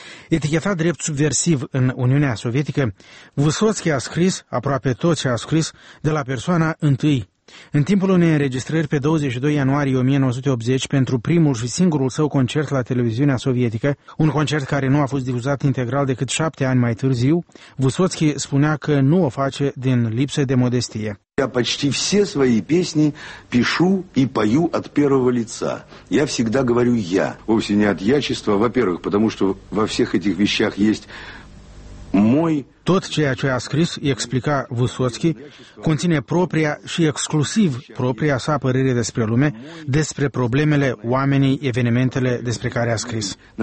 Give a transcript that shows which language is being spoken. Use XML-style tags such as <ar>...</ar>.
<ro>Etichetat drept subversiv în Uniunea Sovietică, Vysotsky a scris, aproape tot ce a scris, de la persoana întâi. În timpul unei înregistrări pe 22 ianuarie 1980 pentru primul și singurul său concert la televiziunea sovietică, un concert care nu a fost difuzat integral decât 7 ani mai târziu, Vysotsky spunea că nu o face din lipsă de modestie.</ro> <ru>Я почти все свои песни пишу и пою от первого лица. Я всегда говорю я. Вовсе не от ячества, во-первых, потому что во всех этих вещах есть мой.</ru> <ro>Tot ceea ce a scris, explica Vysotsky, conține propria și exclusiv propria sa părere despre lume, despre problemele, oamenii, evenimentele despre care a scris.</ro>